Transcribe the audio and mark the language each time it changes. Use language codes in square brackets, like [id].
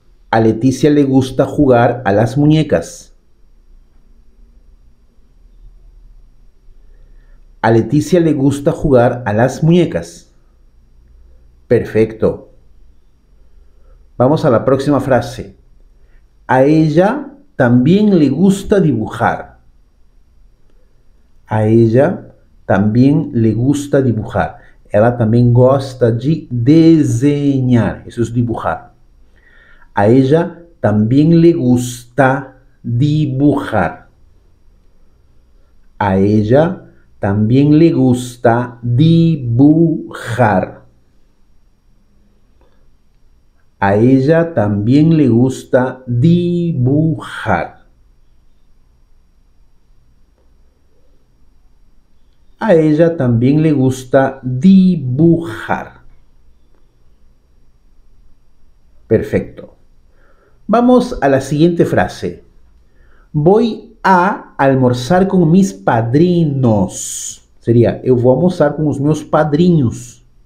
[es] A Leticia le gusta jugar a las muñecas. A Leticia le gusta jugar a las muñecas. Perfecto. Vamos a la próxima frase. A ella también le gusta dibujar. A ella también le gusta dibujar. Ella también [pt] gosta [es] de diseñar. Eso es dibujar. A ella también le gusta dibujar. A ella también le gusta dibujar. A ella también le gusta dibujar. A ella también le gusta dibujar. Perfecto. Vamos a la siguiente frase. Voy a almorzar con mis padrinos. Sería, [pt] eu vou almoçar com os meus padrinhos.